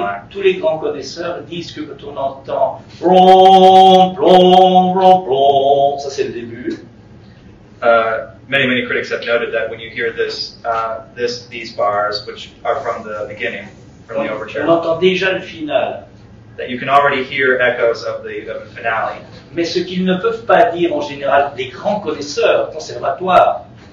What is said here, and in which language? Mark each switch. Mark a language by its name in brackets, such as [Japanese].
[French] Tous les grands connaisseurs disent que quand on entend blon, blon, blon, blon, ça c'est le début. [English] Many, many critics have noted that when you hear this, these bars, which are from the beginning, from the overture, [French] on entend déjà le final. [English] That you can already hear echoes of the finale. [French] Mais ce qu'ils ne peuvent pas dire en général, les grands connaisseurs, conservatoires.